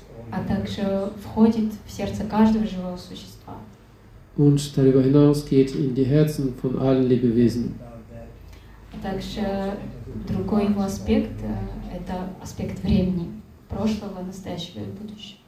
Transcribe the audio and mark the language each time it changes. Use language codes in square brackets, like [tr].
[ru] А также входит в сердце каждого живого существа. [de] Und darüber hinaus geht in die Herzen von allen Lebewesen. [ru] А также другой его аспект – это аспект времени, прошлого, настоящего и будущего.